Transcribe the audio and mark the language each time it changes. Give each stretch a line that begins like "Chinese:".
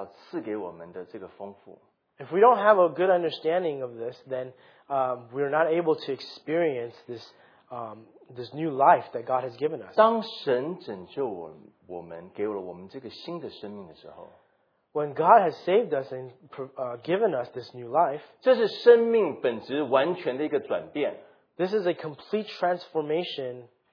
Chinese: 这个观念，如果我们错误的话，我们就没有办法在神的面前经历神所要赐给我们的这个丰富。
English: If we don't have a good understanding of this, then we're not able to experience this this new life that God has given us.
Chinese: 当神拯救我们，给了我们这个新的生命的时候，
English: When God has saved us and given us this new life,
Chinese: 这是生命本质完全的一个转变。
English: This is a complete transformation.